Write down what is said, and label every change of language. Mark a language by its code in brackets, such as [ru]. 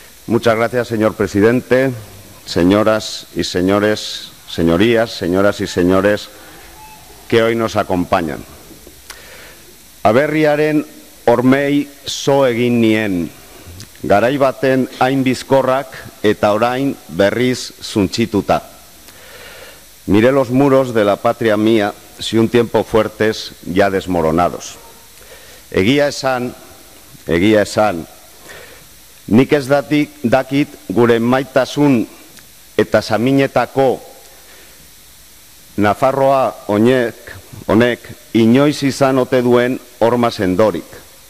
[es] Muchas gracias, señor presidente, señoras y señores, señorías, señoras y señores que hoy nos acompañan. [eu] Aberriaren ormei so egin nien, garai baten hain bizkorrak eta orain berriz suntxituta. [es] Miré los muros de la patria mía, si un tiempo fuertes ya desmoronados. [eu] Egia esan, nik ez dakit gure maitasun eta saminetako Nafarroa honek inoiz izan ote duen horma sendorik.